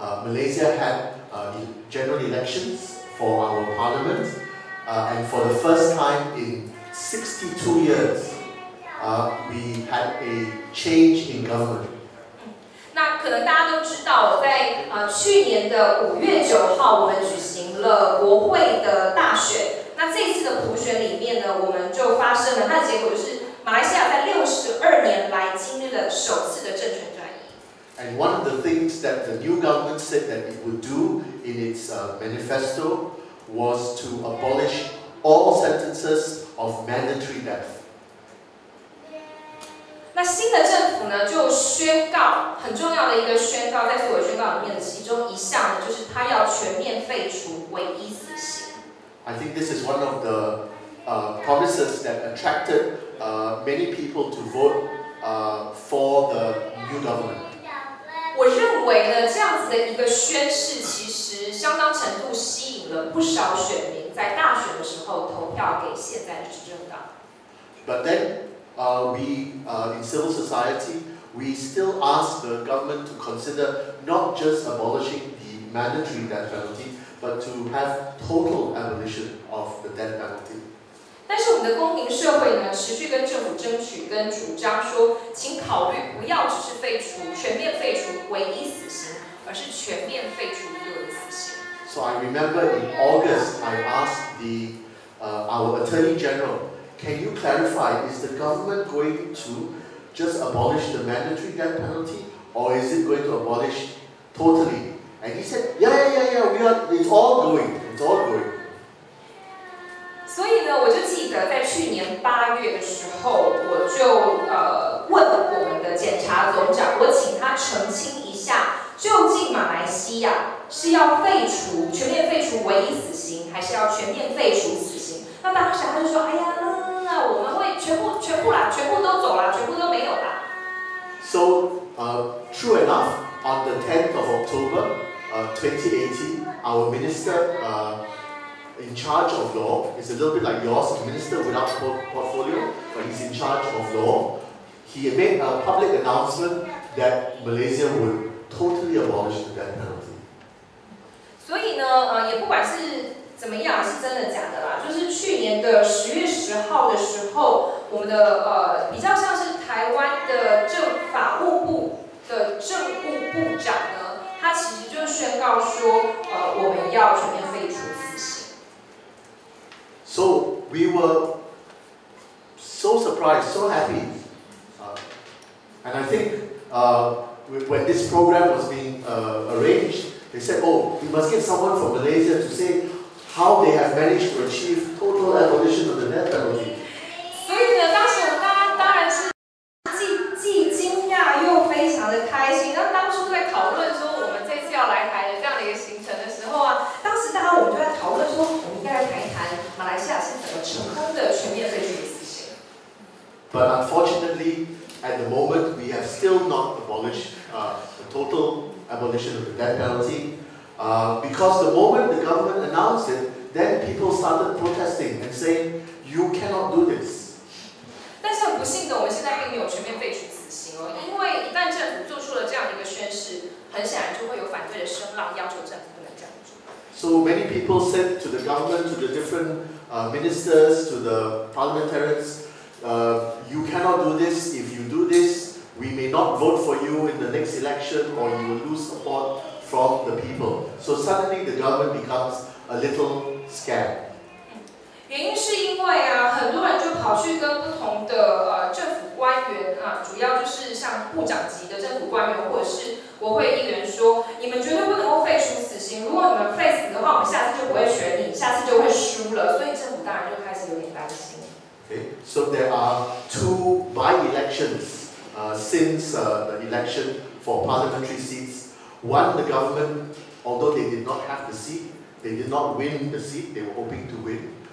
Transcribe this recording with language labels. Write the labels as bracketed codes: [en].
[en] Malaysia had the general elections for our parliament, and for the first time in 62 years, we had a change in government. [zh] 那可能大家都知道，在去年的五月九号，我们举行了国会的大选。那这次的普选里面呢，我们就发生了，那结果就是马来西亚在62年来经历了首次的政权。 [en] And one of the things that the new government said that it would do in its manifesto was to abolish all sentences of mandatory death. [zh] 那新的政府呢，就宣告很重要的一个宣告，在所有宣告里面的其中一项呢，就是他要全面废除唯一死刑。 [en] I think this is one of the promises that attracted many people to vote for the new government. [zh] 我认为呢，这样子的一个宣誓，其实相当程度吸引了不少选民在大选的时候投票给现在的执政党。 [en] But then, we in civil society, we still ask the government to consider not just abolishing the mandatory death penalty, but to have total abolition of the death penalty. [zh] 但是我们的公民社会呢，持续跟政府争取跟主张说，请考虑不要只是废除全面废除唯一死刑。而是全面废除一个死刑。 [en] So I remember in August, I asked the our Attorney General, can you clarify, is the government going to just abolish the mandatory death penalty, or is it going to abolish totally? And he said, yeah, we are, it's all going. [zh] 所以呢，我就记得在去年八月的时候，我就问我们的检察总长，我请他澄清一下。究竟马来西亚是要废除全面废除唯一死刑，还是要全面废除死刑？那当时他就说：“哎呀，我们会全部都没有啦。” [en] So, true enough, on the 10th of October, 2018, our minister, in charge of law, is a little bit like yours, minister without portfolio, but he's in charge of law. He made a public announcement that Malaysia would. Totally abolish the death penalty. [zh] 所以呢，也不管是怎么样，是真的假的啦，就是去年的十月十号的时候，我们的比较像是台湾的政法务部的政务部长呢，他其实就宣告说，我们要全面废除死刑。 [en] So we were so surprised, so happy, and I think, When this program was being arranged, they said, oh, we must get someone from Malaysia to say how they have managed to achieve total abolition of the death penalty. [zh] 所以呢，当时我们当然是既惊讶又非常的开心。那当初在讨论说我们这次要来台的这样的一个行程的时候啊，当时大家我们就在讨论说，我们应该来谈一谈马来西亚是怎么成功的全面废除死刑。 [en] But unfortunately,At the moment, we have still not abolished the total abolition of the death penalty. Because the moment the government announced it, then people started protesting and saying, you cannot do this. [zh] 但是很不幸的，我们现在并没有全面废除死刑哦，因为一旦政府做出了这样的一个宣誓，很显然就会有反对的声浪，要求政府不能这样做。 [en] So many people said to the government, to the different ministers, to the parliamentarians,you cannot do this. If you do this, we may not vote for you in the next election, or you will lose support from the people. So suddenly, the government becomes a little scared. [zh] 原因是因为啊，很多人就跑去跟不同的政府官员啊，主要就是像部长级的政府官员或者是国会议员说，你们绝对不能够废除死刑。如果你们废死的话，我们下次就不会选你，下次就会输了。所以政府当然就开始有点担心。 [en] Okay. So there are two by-elections since the election for parliamentary seats. One, the government, although they did not have the seat, they did not win the seat, they were hoping to win.